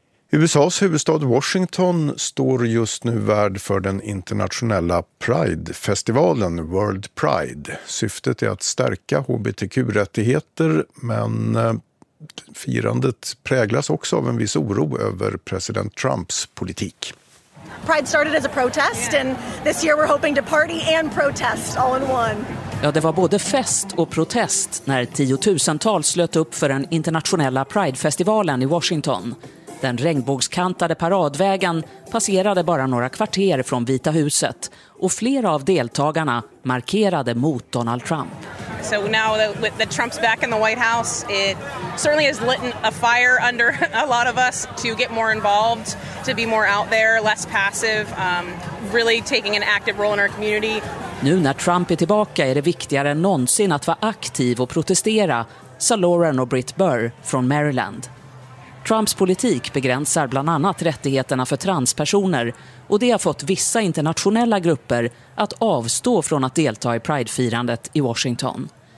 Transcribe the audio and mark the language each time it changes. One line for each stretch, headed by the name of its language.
Swedish: USAs huvudstad Washington står just nu värd för den internationella Pride-festivalen World Pride. Syftet är att stärka hbtq-rättigheter, men firandet präglas också av en viss oro över president Trumps politik.
English: Pride started as a protest, and this year we're hoping to party and protest all in one.
Swedish: Ja, det var både fest och protest när tiotusentals slöt upp för den internationella Pride-festivalen i Washington. Den regnbågskantade paradvägen passerade bara några kvarter från Vita huset, och flera av deltagarna markerade mot Donald Trump.
English: So now with the Trump's back in the White House, it certainly has lit a fire under a lot of us to get more involved, to be more out there, less passive, really taking an active role in our community.
Swedish: Nu när Trump är tillbaka är det viktigare än någonsin att vara aktiv och protestera, sa Lauren och Britt Burr från Maryland. Trumps politik begränsar bland annat rättigheterna för transpersoner, och det har fått vissa internationella grupper att avstå från att delta i Pride-firandet i Washington.